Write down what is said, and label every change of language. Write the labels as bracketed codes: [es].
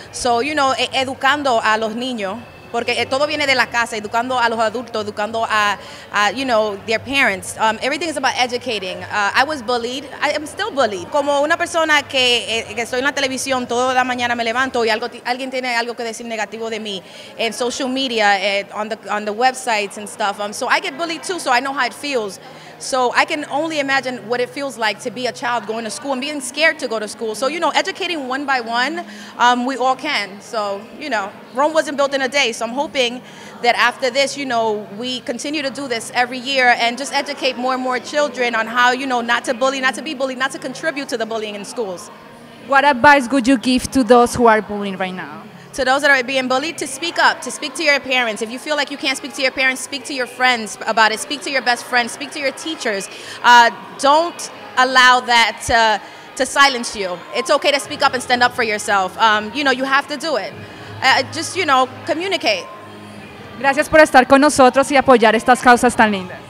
[en] So, you know, [es] educando a los niños, porque todo viene de la casa, educando a los adultos, educando a, [en] you know, their parents. Everything is about educating. I was bullied. I am still bullied. [es] Como una persona que estoy en la televisión, toda la mañana me levanto y alguien tiene algo que decir negativo de mí. En [en] social media, on the websites and stuff. So I get bullied too, so I know how it feels. So I can only imagine what it feels like to be a child going to school and being scared to go to school. So, you know, educating one by one, we all can. So, you know, Rome wasn't built in a day. So I'm hoping that after this, you know, we continue to do this every year and just educate more and more children on how, you know, not to bully, not to be bullied, not to contribute to the bullying in schools. What advice would you give to those who are bullying right now? To those that are being bullied, to speak up, to speak to your parents. If you feel like you can't speak to your parents, speak to your friends about it. Speak to your best friends. Speak to your teachers. Don't allow that to silence you. It's okay to speak up and stand up for yourself. You know, you have to do it. Just, you know, communicate. [es] Gracias por estar con nosotros y apoyar estas causas tan lindas.